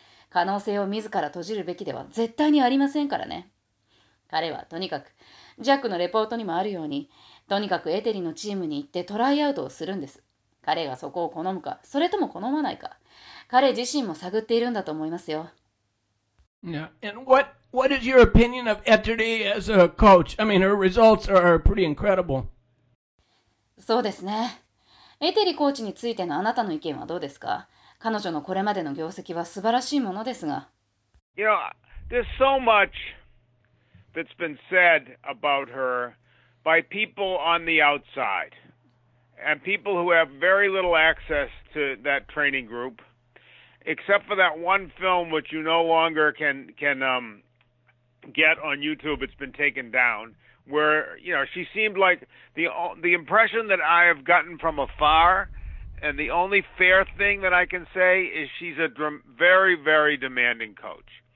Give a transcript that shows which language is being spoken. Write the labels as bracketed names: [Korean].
[Japanese] 可能性を自ら閉じるべきでは絶対にありませんからね。彼はとにかく、ジャックのレポートにもあるように、とにかくエテリのチームに行ってトライアウトをするんです。彼がそこを好むか、それとも好まないか、彼自身も探っているんだと思いますよ。 [English] Yeah. And what is your opinion of Etteri as a coach? I mean, her results are pretty incredible. [Japanese] そうですね。エテリコーチについてのあなたの意見はどうですか？彼女のこれまでの業績は素晴らしいものですが。 [English] You know, there's so much that's been said about her by people on the outside. And people who have very little access to that training group, except for that one film which you no longer can get on YouTube, it's been taken down, where, you know, she seemed like the impression that I have gotten from afar, and the only fair thing that I can say is she's a very, very demanding coach.